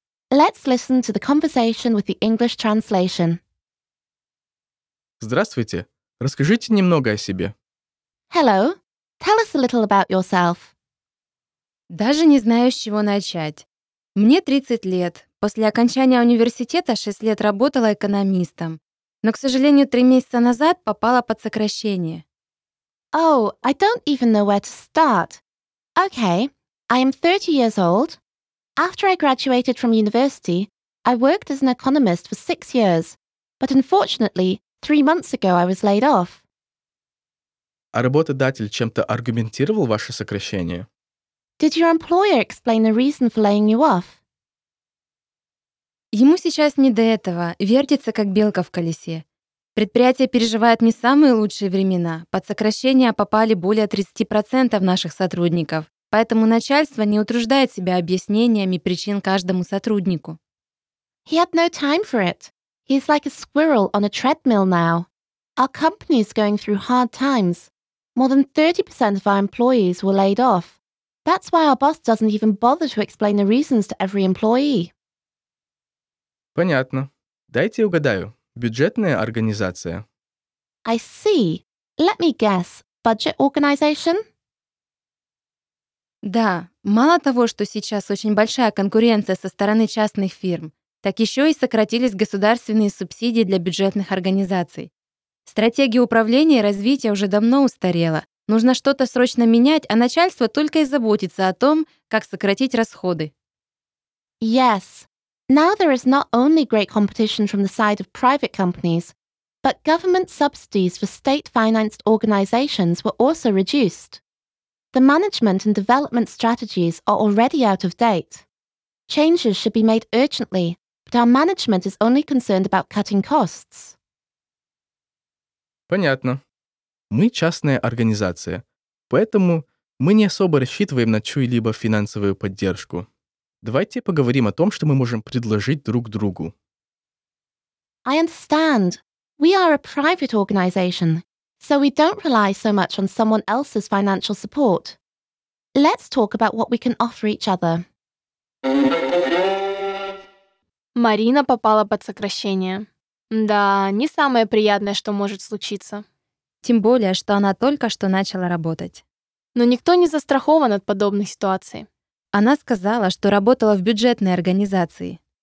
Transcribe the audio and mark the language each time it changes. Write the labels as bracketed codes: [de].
[en] Let's listen to the conversation with the English translation. [ru] Здравствуйте. Расскажите немного о себе. [en] Hello. Tell us a little about yourself. [ru] Даже не знаю, с чего начать. Мне 30 лет. После окончания университета 6 лет работала экономистом. Но, к сожалению, 3 месяца назад попала под сокращение. [en] Oh, I don't even know where to start. Okay, I am 30 years old. After I graduated from university, I worked as an economist for 6 years. But unfortunately, 3 months ago I was laid off. [ru] А работодатель чем-то аргументировал ваше сокращение? [en] Did your employer explain the reason for laying you off? [ru] Ему сейчас не до этого. Вертится, как белка в колесе. Предприятие переживает не самые лучшие времена. Под сокращение попали более 30% наших сотрудников. Поэтому начальство не утруждает себя объяснениями причин каждому сотруднику. [en] He had no time for it. He's like a squirrel on a treadmill now. Our company is going through hard times. More than 30% of our employees were laid off. That's why our boss doesn't even bother to explain the reasons to every employee. [ru] Понятно. Дайте угадаю. Бюджетная организация. [en] I see. Let me guess. Budget organization? [ru] Да. Мало того, что сейчас очень большая конкуренция со стороны частных фирм, так еще и сократились государственные субсидии для бюджетных организаций. Стратегия управления и развития уже давно устарела. Нужно что-то срочно менять, а начальство только и заботится о том, как сократить расходы. [en] Yes. Now there is not only great competition from the side of private companies, but government subsidies for state-financed organizations were also reduced. The management and development strategies are already out of date. Changes should be made urgently, but our management is only concerned about cutting costs. [ru] Понятно. Мы частная организация, поэтому мы не особо рассчитываем на чью-либо финансовую поддержку. Давайте поговорим о том, что мы можем предложить друг другу. [en] I understand. We are a private organization, so we don't rely so much on someone else's financial support. Let's talk about what we can offer each other. [ru] Марина попала под сокращение. Да, не самое приятное, что может случиться. Тем более, что она только что начала работать. Но никто не застрахован от подобных ситуаций. Она сказала, что работала в бюджетной организации.